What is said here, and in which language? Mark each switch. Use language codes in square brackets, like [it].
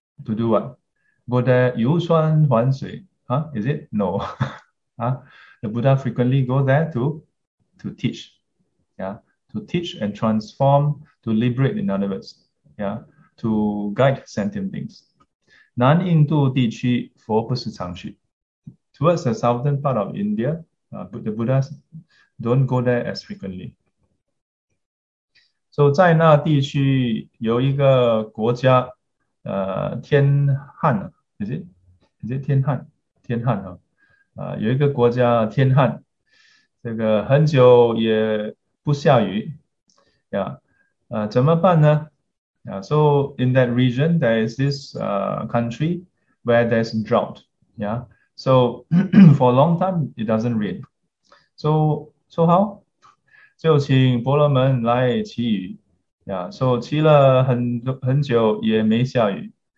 [en] To do what? Go there, [zh] 游山玩水. [en] Huh? Is it? No. The Buddha frequently go there to teach, yeah, to teach and transform, to liberate, in other words, yeah, to guide sentient beings. [zh] 南印度地区佛不是常去. [en] Towards the southern part of India, but the Buddhas don't go there as frequently. [zh] So 在那地区有一个国家, 天汉, [en] is it [zh] 天汉? 天汉, 有一个国家, 天汉, 这个很久也不下雨, [en] yeah, [zh] 怎么办呢? [en] Yeah, so in that region, there is this country where there's drought, yeah. So for a long time, it doesn't rain. So how? [zh] 就请婆罗门来祈雨. [en] Yeah, so [zh] 祈了很久也没下雨.